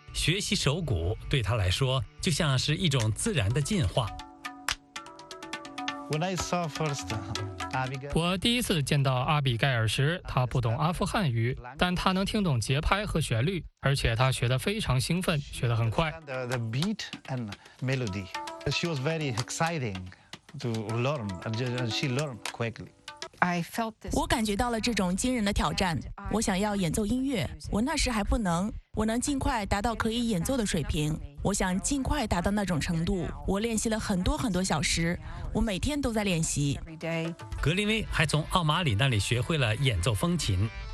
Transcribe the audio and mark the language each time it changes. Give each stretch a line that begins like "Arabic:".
Chinese: 学习手鼓对他来说，就像是一种自然的进化。我第一次见到阿比盖尔时，他不懂阿富汗语，但他能听懂节拍和旋律，而且他学得非常兴奋，学得很快。
English: The beat and melody. She was very exciting to learn, and she learned quickly.
Chinese: 我感觉到了这种惊人的挑战，我想要演奏音乐，我那时还不能，我能尽快达到可以演奏的水平，我想尽快达到那种程度，我练习了很多很多小时，我每天都在练习。格林威还从奥马里那里学会了演奏风琴。